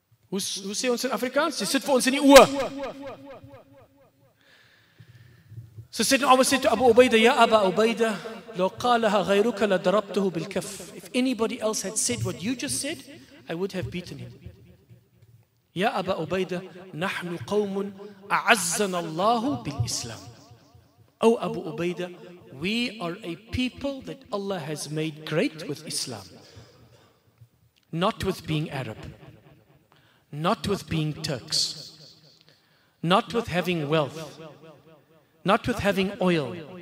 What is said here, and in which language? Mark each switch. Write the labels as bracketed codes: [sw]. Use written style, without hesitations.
[en] Who say ons in Afrikaans? He sit for [af] ons in die oor. [en] So Sayyidina Umar said to Abu Ubaidah, Ya Aba Ubaidah, [ar] لو قالها غيرك لضربته بالكف. [en] If anybody else had said what you just said, I would have beaten him. [ar] Ya Aba Ubaidah, نحن قوم أعزنا الله بالإسلام. [en] O Abu Ubaidah, we are a people that Allah has made great with Islam. Not with being Arab. Not with being Turks. Not with having wealth. Not with having oil.